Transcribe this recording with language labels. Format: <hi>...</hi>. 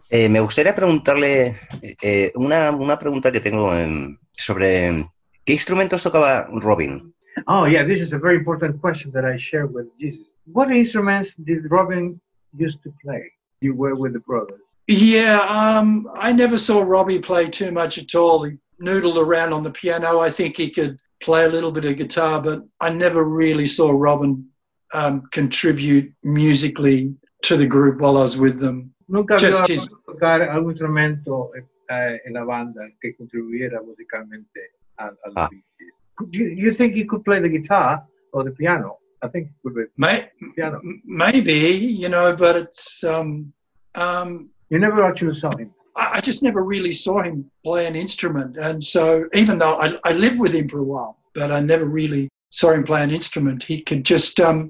<es>Me gustaría preguntarle una pregunta que tengo sobre ¿Qué instrumentos tocaba Robin?</es> <en>Oh, yeah, this is a very important question that I share with Jesus. What instruments did Robin used to play? You were with the brothers. Yeah, I never saw Robbie play too much at all. He noodled around on the piano. I think he could play a little bit of guitar, but I never really saw Robin contribute musically to the group while I was with them.</en> <es>Nunca just vi tocar algún instrumento en la banda que contribuyera musicalmente a los Beatles.</es> <en>You think he could play the guitar or the piano? I think it would be piano. Maybe, you know, but it's... You never actually saw him? I just never really saw him play an instrument. And so even though I lived with him for a while, but I never really saw him play an instrument. He could just...</en>